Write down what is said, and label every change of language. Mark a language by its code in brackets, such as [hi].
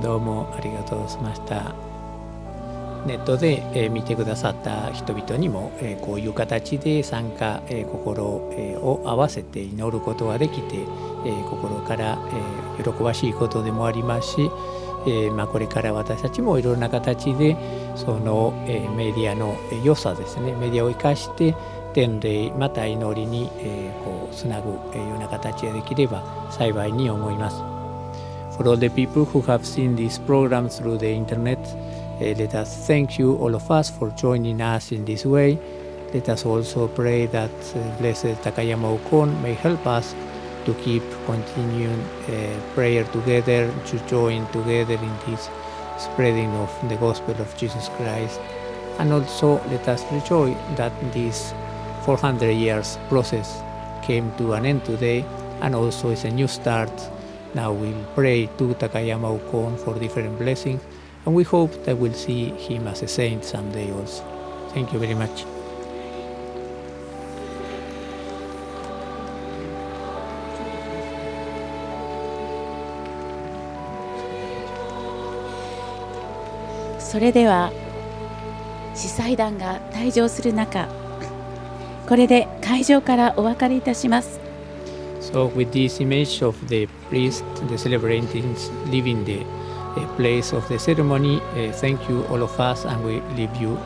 [ja] どうもありがとうございました。ネットで見てくださった人々にも、こういう形で参加、心を合わせて祈ることができて、心から、喜ばしいことでもありますし、まあ、これから私たちもいろんな形でその、メディアの良さですね、メディアを生かして天霊また祈りに、こうつなぐような形ができれば幸いに思います。 [en] For all the people who have seen this program through the internetLet us thank you, all of us, for joining us in this way. Let us also pray that Blessed Takayama Ukon may help us to keep continuing prayer together, to join together in this spreading of the gospel of Jesus Christ. And also let us rejoice that this 400 years process came to an end today, and also is a new start. Now we pray to Takayama Ukon for different blessings. And we hope that we'll see him as a saint someday also. Thank you very much. [ja] それでは、司祭団が退場する中、これで会場からお別れいたします。 [en] So with this image of the priest, the celebrating leaving the place of the ceremony. Thank you, all of us, and we leave you.